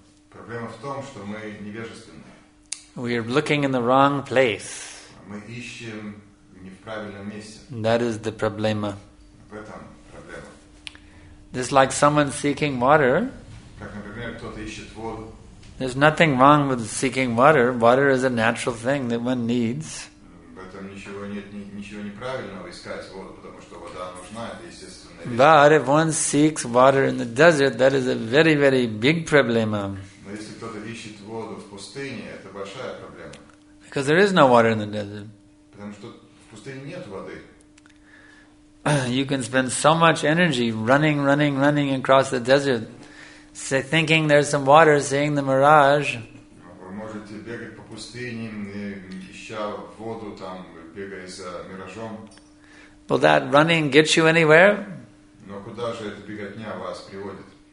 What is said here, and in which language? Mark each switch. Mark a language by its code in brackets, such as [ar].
[ru] Проблема в том, что мы невежественны. [en] We are looking in the wrong place. [ru] Мы ищем не в правильном месте. [en] That is the problema. [ru] В этом проблема. [en] Just like someone seeking water. [ru] Как, например, кто-то ищет воду. [en] There's nothing wrong with seeking water. Water is a natural thing that one needs. [ru] В этом ничего нет, ничего неправильного искать воду, потому что вода нужна, это естественно. [en] But if one seeks water in the desert, that is a very, very big problema. [ru] Но если кто-то ищет воду в пустыне, это большая проблема. [en] Because there is no water in the desert. [ru] Потому что в пустыне нет воды. [en] you can spend so much energy running, running, running across the desert, say, thinking there's some water, seeing the mirage. [ru] Вы можете бегать по пустыне, ища воду там, бегая за миражом. [en] Will that running get you anywhere? [ru] Но куда же эта беготня вас приводит?